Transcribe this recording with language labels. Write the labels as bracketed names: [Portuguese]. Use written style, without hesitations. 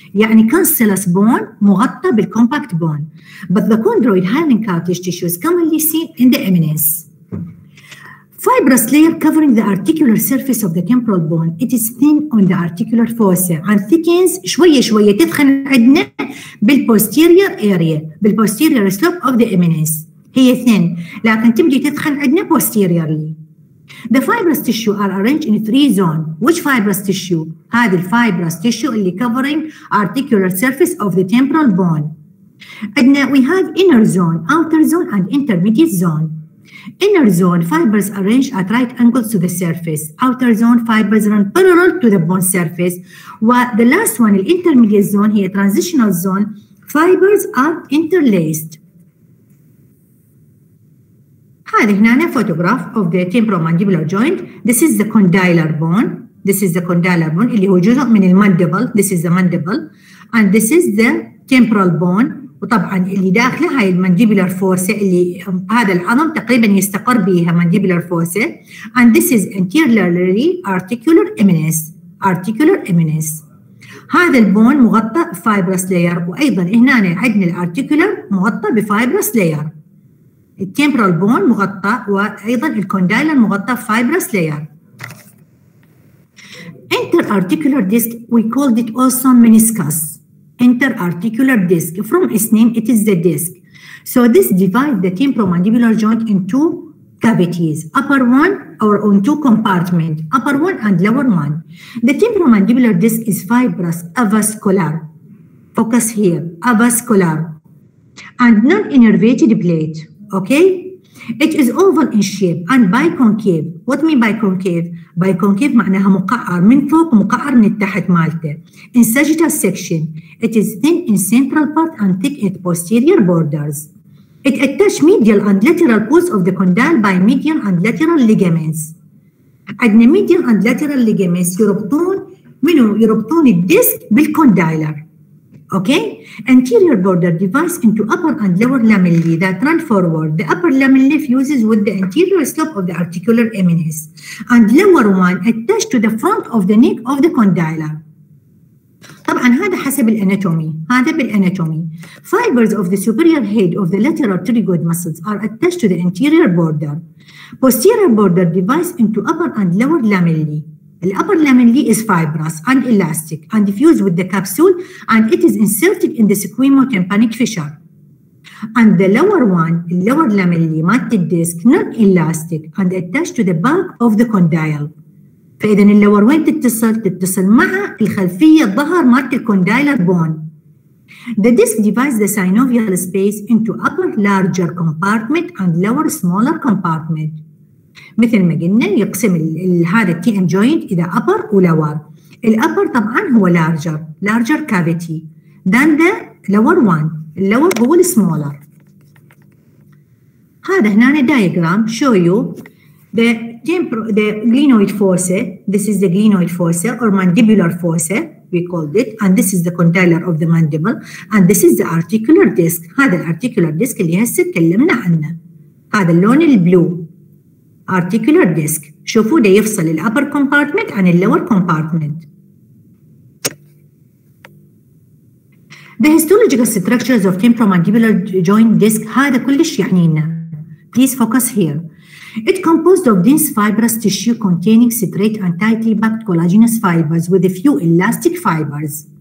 [Arabic] يعني [English] cancellous bone مغطى بالcompact bone. But the chondroid having cartilage tissues commonly seen in the eminence. Fibrous layer covering the articular surface of the temporal bone. It is thin on the articular fossa and thickens [Arabic] شوية شوية تدخل عندنا [English] بالposterior area, بالposterior slope of the eminence. [Arabic] هي thin لكن تبدي تدخل عندنا posteriorly. [English] The fibrous tissue are arranged in three zones. Which fibrous tissue? هذه fibrous tissue اللي covering articular surface of the temporal bone. عندنا we have inner zone, outer zone and intermediate zone. Inner zone fibers arranged at right angles to the surface. Outer zone fibers run parallel to the bone surface. While the last one, the intermediate zone, here transitional zone, fibers are interlaced. هذه هنا photograph of the temporomandibular joint. This is the condylar bone. This is the condylar bone [Arabic] اللي هو جزء من المانديبل. [English] This is the mandible, and this is the temporal bone. [Arabic] وطبعا اللي داخله هاي المانديبولار فوسا اللي هذا العظم تقريبا يستقر بيها مانديبولار فوسا. [English] And this is anteriorly articular eminence. Articular eminence. [Arabic] هذا البون مغطى [English] fibrous layer [Arabic] وايضا هنا عندنا الارتيكولر مغطى بفايبرس layer. التيمبرال بون مغطى وايضا الكوندايلر مغطى بفايبرس layer. [English] Interarticular disc, we called it also meniscus. Interarticular disc. From its name, it is the disc. So this divides the temporomandibular joint in two cavities, upper one or on two compartments, upper one and lower one. The temporomandibular disc is fibrous, avascular. Focus here, avascular. And non-innervated plate, okay? It is oval in shape and biconcave. What mean biconcave? [Arabic] Biconcave معناها مقعر من فوق ومقعر من التحت مالته. [English] In sagittal section, it is thin in central part and thick at posterior borders. It attaches medial and lateral poles of the condyle by medial and lateral ligaments. [Arabic] عندنا [English] medial and lateral ligaments [Arabic] يربطون منو؟ يربطون الديسك بالcondylar. [English] Okay, anterior border divides into upper and lower lamellae that run forward. The upper lamellae fuses with the anterior slope of the articular eminence. And lower one attached to the front of the neck of the condylar. [Arabic] طبعا هذا حسب الاناتومي. هذا بالاناتومي. [English] Fibers of the superior head of the lateral pterygoid muscles are attached to the anterior border. Posterior border divides into upper and lower lamellae. The upper lamellae is fibrous and elastic and diffused with the capsule and it is inserted in the sequimotympanic fissure. And the lower one, the lower lamellae, matted disc, non-elastic and attached to the back of the condyle. [Arabic] فإذا اللور وين تتصل؟ تتصل مع الخلفية الظهر مات الكوندايلر بون. [English] The disc divides the synovial space into upper larger compartment and lower smaller compartment. [Arabic] مثل ما قلنا يقسم هذا التي ام جوينت الى upper و lower. الابر طبعا هو [English] larger cavity than the lower one. [Arabic] اللور هو السمولر. هذا هنا [English] diagram show you the glenoid fossa. This is the glenoid fossa or mandibular fossa we called it, and this is the condylar of the mandible, and this is the articular disc. [Arabic] هذا الarticular disc اللي هسه تكلمنا عنه, هذا اللون البلو. Articular disc. شوفوا ده يفصل الـ upper compartment عن الـ lower compartment. [English] The histological structures of temporomandibular joint disc [Arabic] هذا كلش يعنينا. [English] Please focus here. It composed of dense fibrous tissue containing straight and tightly packed collagenous fibers with a few elastic fibers.